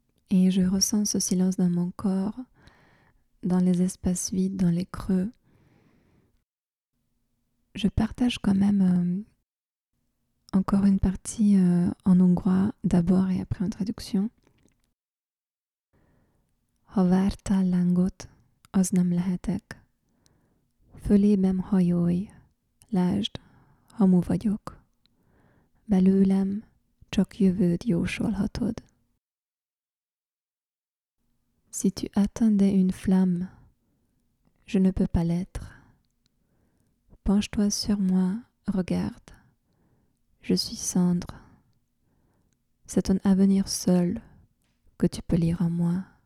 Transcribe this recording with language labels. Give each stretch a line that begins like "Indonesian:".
French: Et je ressens ce silence dans mon corps, dans les espaces vides, dans les creux. Je partage quand même encore une partie en hongrois, d'abord et après en traduction.
Hungarian: Hovarta langot, az nem lehetek. Fölébem hajolj, lásd, hamu vagyok. Belőlem csak jövőd jósolhatod.
French: Si tu attendais une flamme, je ne peux pas l'être. Penche-toi sur moi, regarde. Je suis cendre. C'est ton avenir seul que tu peux lire en moi.